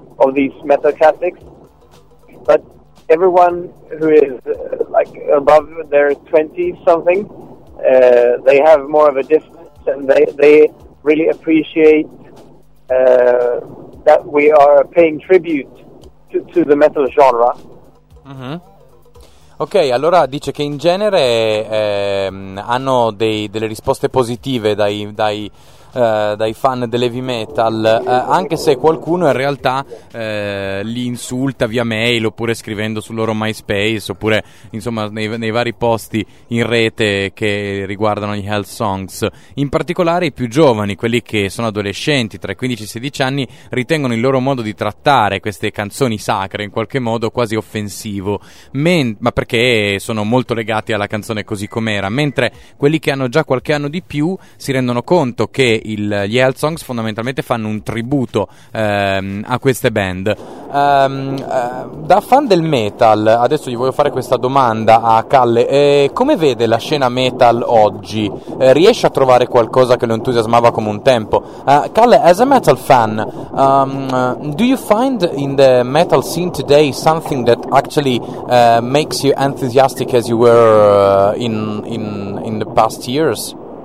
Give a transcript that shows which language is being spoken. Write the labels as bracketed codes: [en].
[en] of these metal Catholics, but everyone who is like above their 20s something, they have more of a difference, and they really appreciate that we are paying tribute to the metal genre. Mm-hmm. [it] Ok, allora dice che in genere hanno delle risposte positive dai fan dell'heavy metal, anche se qualcuno in realtà li insulta via mail, oppure scrivendo sul loro MySpace, oppure insomma nei vari posti in rete che riguardano gli Hell Songs. In particolare i più giovani, quelli che sono adolescenti tra i 15 e i 16 anni, ritengono il loro modo di trattare queste canzoni sacre in qualche modo quasi offensivo, ma perché sono molto legati alla canzone così com'era, mentre quelli che hanno già qualche anno di più si rendono conto che gli Hell Songs fondamentalmente fanno un tributo a queste band. Da fan del metal, adesso gli voglio fare questa domanda a Kalle: come vede la scena metal oggi? Riesce a trovare qualcosa che lo entusiasmava come un tempo? [en] Kalle, as a metal fan, do you find in the metal scene today something that actually makes you enthusiastic as you were in the past years?